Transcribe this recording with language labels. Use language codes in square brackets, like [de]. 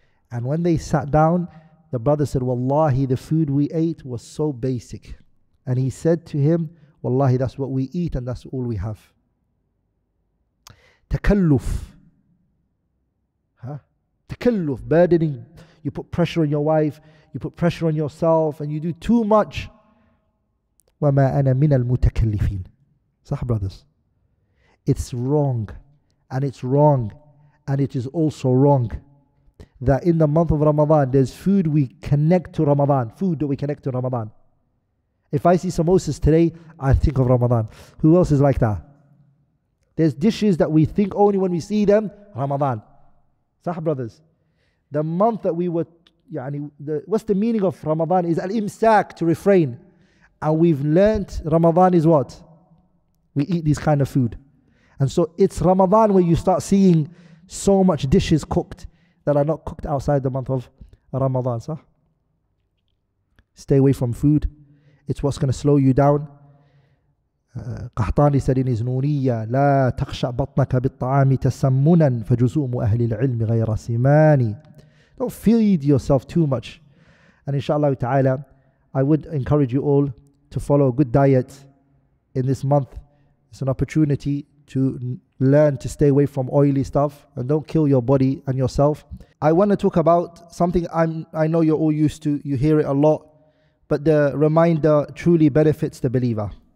[en] And when they sat down, the brother said, "Wallahi, the food we ate was so basic." And he said to him, "Wallahi, that's what we eat and that's all we have." Takalluf. Huh? Takalluf, burdening. You put pressure on your wife, you put pressure on yourself, and you do too much. [ar] وَمَا أَنَا مِنَ الْمُتَكَلِّفِينَ Sahih, brothers. [en] It's wrong, and it's wrong, and it is also wrong that in the month of Ramadan, there's food we connect to Ramadan, food that we connect to Ramadan. If I see samosas today, I think of Ramadan. Who else is like that? There's dishes that we think only when we see them, Ramadan. Sahih, brothers. The month that we were, what's the meaning of Ramadan? Is al-imsak, to refrain. And we've learned Ramadan is what? We eat this kind of food. And so it's Ramadan where you start seeing so much dishes cooked that are not cooked outside the month of Ramadan. Sah? Stay away from food. It's what's going to slow you down. Qahtani said in his Nuriyya, [ar] لا تخشى بطنك بالطعام تسمنا فجزوم أهل العلم غير سماني. [en] Don't feed yourself too much. And inshallah ta'ala, I would encourage you all to follow a good diet in this month. It's an opportunity to learn to stay away from oily stuff and don't kill your body and yourself. I want to talk about something I know you're all used to, you hear it a lot, but the reminder truly benefits the believer.